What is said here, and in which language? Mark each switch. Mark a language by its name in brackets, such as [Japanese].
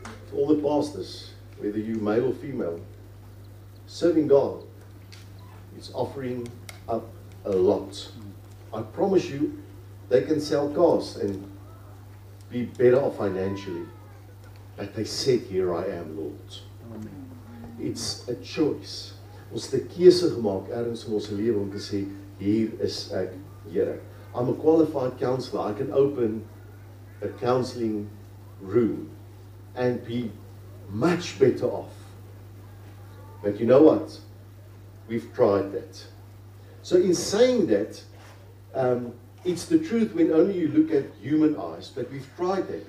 [English] To all the pastors, whether you male or female, serving God is offering up a lot. I promise you, they can sell cars and be better off financially. But they said, here I am, Lord. Amen. It's a choice. [Afrikaans] Ons het 'n keuse gemaak ergens in ons lewe om te sê, hier is ek, Here. [English] I'm a qualified counselor. I can open a counseling room and be much better off. But you know what? We've tried that. So in saying that, it's the truth when only you look at human eyes, but we've tried that.